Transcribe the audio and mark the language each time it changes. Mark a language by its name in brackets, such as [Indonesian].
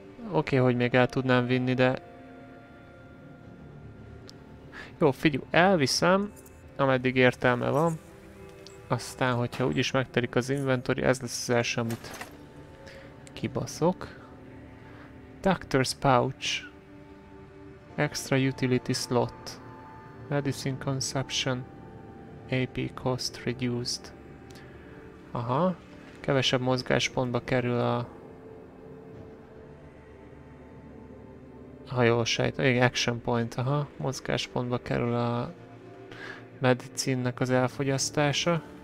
[Hungarian] Oké, hogy még el tudnám vinni, de... jó, figyú, elviszem, ameddig értelme van. Aztán, hogyha úgyis megtelik az inventory, ez lesz az első, amit kibaszok. [English] Doctor's pouch. Extra utility slot. Medicine consumption. AP cost reduced. [Hungarian] Aha, kevesebb mozgáspontba kerül a... Ha jól sejtem, igen, action point, aha, mozgáspontba kerül a medicinnek az elfogyasztása.